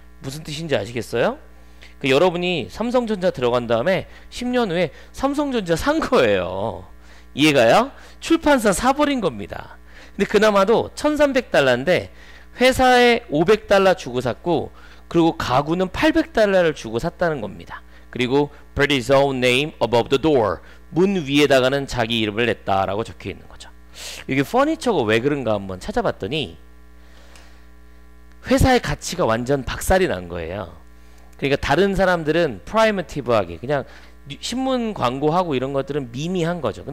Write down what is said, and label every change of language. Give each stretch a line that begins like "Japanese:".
Korean: 무슨 뜻인지 아시겠어요? 그 여러분이 삼성전자 들어간 다음에 10년 후에 삼성전자 산 거예요. 이해가요? 출판사 사버린 겁니다. 근데 그나마도 1,300달러인데 회사에 500달러 주고 샀고 그리고 가구는 800달러를 주고 샀다는 겁니다. 그리고
English: put his own name above the door.
Korean: 문 위에다가는 자기 이름을 냈다라고 적혀 있는 거죠. 이게 퍼니처가 왜 그런가 한번 찾아봤더니 회사의 가치가 완전 박살이 난 거예요. 그러니까 다른 사람들은 프라이머티브하게 그냥 신문 광고하고 이런 것들은 미미한 거죠.